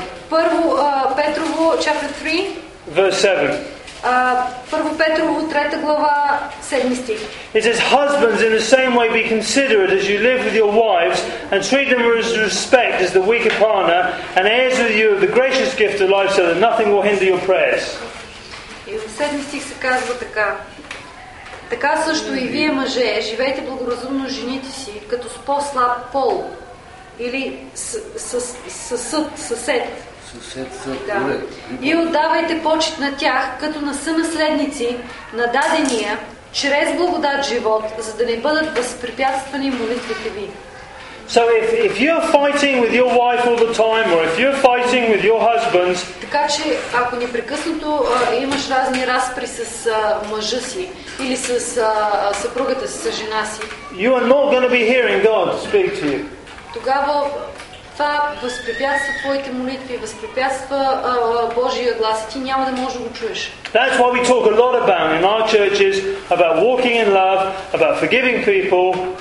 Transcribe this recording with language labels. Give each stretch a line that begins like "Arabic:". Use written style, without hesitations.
Bulgarian: Първо Петрово
English: chapter 3 verse 7.
Bulgarian: Първо Петрово 3 глава 7 стих.
English: It says, husbands, in the same way be considerate as you live with your wives and treat them with respect as the weaker partner and heirs with you of the gracious gift of life so that nothing will hinder your prayers.
Bulgarian: И в 7 стих се казва така. Така също и вие мъже, живейте благоразумно с жените си като с по-слаб пол. Или съсед. Да. И отдавайте почет на тях, като на сънаследници на дадения, чрез благодат живот, за да не бъдат възпрепятствани молитвите ви.
English: So if you're fighting with your wife all the time, or if you're fighting with your husband,
Bulgarian: така че ако непрекъснато имаш разни разпри с мъжа си или с съпругата си, с жена си,
English: you are not going to be hearing God speak to you.
Bulgarian: Тогава това възпрепятства твоите молитви, възпрепятства Божия глас и ти няма да можеш да го чуеш.
English: That's what we talk a lot about in our churches, about walking in love, about forgiving people.